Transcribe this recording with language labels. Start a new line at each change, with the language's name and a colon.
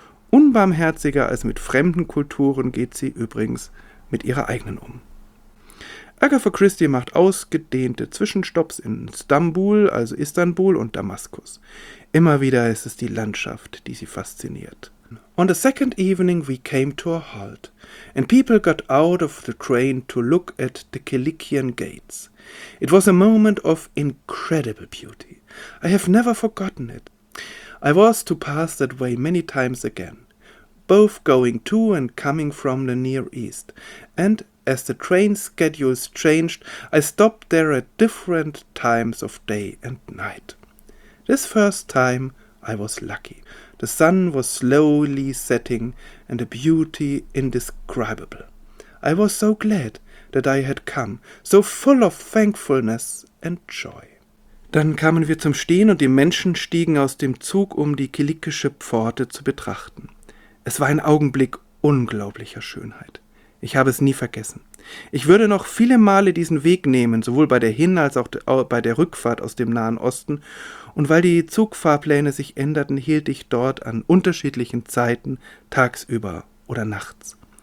German: Unbarmherziger als mit fremden Kulturen geht sie übrigens mit ihrer eigenen um. Agatha Christie macht ausgedehnte Zwischenstopps in Stambul, also Istanbul und Damaskus. Immer wieder ist es die Landschaft, die sie fasziniert.
English: On the second evening we came to a halt, and people got out of the train to look at the Kilikian gates. It was a moment of incredible beauty. I have never forgotten it. I was to pass that way many times again, both going to and coming from the Near East, and as the train schedules changed, I stopped there at different times of day and night. This first time I was lucky. The sun was slowly setting and a beauty indescribable. I was so glad that I had come, so full of thankfulness and joy.
German: Dann kamen wir zum Stehen und die Menschen stiegen aus dem Zug, um die kilikische Pforte zu betrachten. Es war ein Augenblick unglaublicher Schönheit. Ich habe es nie vergessen. Ich würde noch viele Male diesen Weg nehmen, sowohl bei der Hin- als auch bei der Rückfahrt aus dem Nahen Osten, und weil die Zugfahrpläne sich änderten, hielt ich dort an unterschiedlichen Zeiten, tagsüber oder nachts.